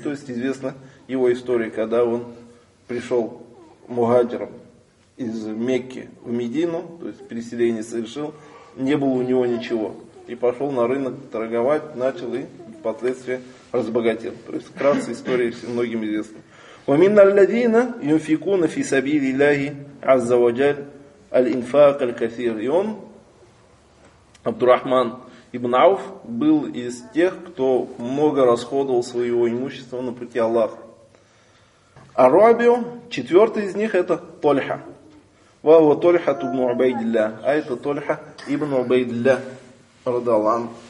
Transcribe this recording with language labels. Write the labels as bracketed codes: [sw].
[ru] То есть известна его история, когда он пришел мухаджиром из Мекки в Медину, то есть переселение совершил, не было у него ничего. И пошел на рынок торговать, начал и впоследствии разбогател. То есть вкратце история многим известна. [ar] ومن الذين ينفقون في سبيل الله عز وجل الإنفاق الكثير. [ru] И он, Абдурахман ибн Ауф, был из тех, кто много расходовал своего имущества на пути Аллаха. А Рабиу, четвертый из них, это Тольха. Вава Тольха ибн Убайдилля. А это Тольха ибн Убайдилля Радалан.